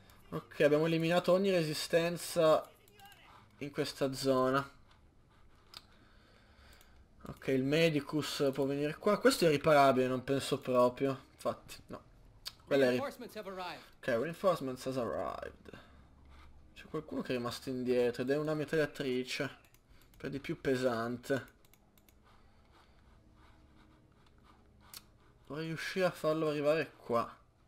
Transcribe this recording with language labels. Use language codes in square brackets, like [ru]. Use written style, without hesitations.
[it] Ok, abbiamo eliminato ogni resistenza in questa zona. Ok, il medicus può venire qua. Questo è riparabile, non penso proprio. Infatti, no. [en] Ok, reinforcements has arrived. [it] C'è qualcuno che è rimasto indietro ed è una mitragliatrice. Per di più pesante. Vorrei riuscire a farlo arrivare qua.